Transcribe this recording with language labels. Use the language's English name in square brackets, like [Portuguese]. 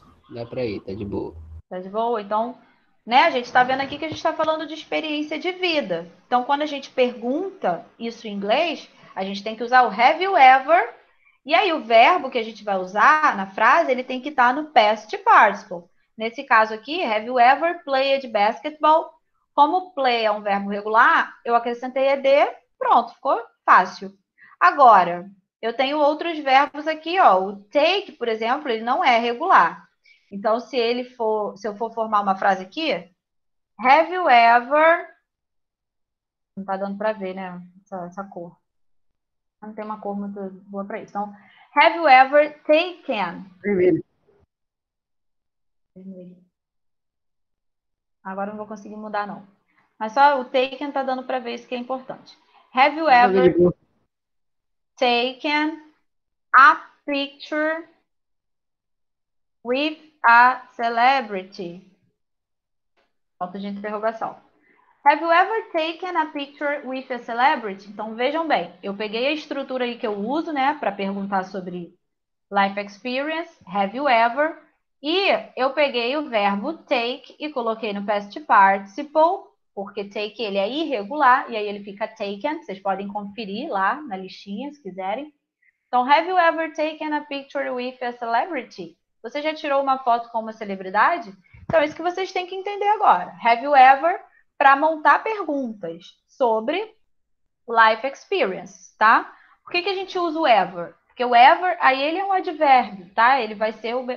[Portuguese] Dá pra ir, tá de boa. Tá de boa, então... Né, a gente tá vendo aqui que a gente tá falando de experiência de vida. Então, quando a gente pergunta isso em inglês, a gente tem que usar o [English] have you ever... [Portuguese] E aí, o verbo que a gente vai usar na frase, ele tem que estar no past participle. Nesse caso aqui, [English] have you ever played basketball? [Portuguese] Como play é um verbo regular, eu acrescentei ed, pronto, ficou fácil. Agora, eu tenho outros verbos aqui, ó. O take, por exemplo, ele não é regular. Então, se ele for, se eu for formar uma frase aqui, [English] have you ever... [Portuguese] Não tá dando para ver, né, essa cor. Não tem uma cor muito boa para isso. Então, [English] have you ever taken? [Portuguese] Vermelho. Agora não vou conseguir mudar, não. Mas só o taken tá dando para ver isso que é importante. [English] Have you ever taken a picture with a celebrity? [Portuguese] Ponto de interrogação. [English] Have you ever taken a picture with a celebrity? [Portuguese] Então, vejam bem. Eu peguei a estrutura aí que eu uso, né? Para perguntar sobre life experience. [English] Have you ever? [Portuguese] E eu peguei o verbo take e coloquei no past participle. Porque take, ele é irregular. E aí, ele fica taken. Vocês podem conferir lá na listinha, se quiserem. [English] Então, have you ever taken a picture with a celebrity? [Portuguese] Você já tirou uma foto com uma celebridade? Então, é isso que vocês têm que entender agora. [English] Have you ever... [Portuguese] para montar perguntas sobre life experience, tá? Por que, que a gente usa o ever? Porque o ever, aí ele é um advérbio, tá? Ele vai ser o...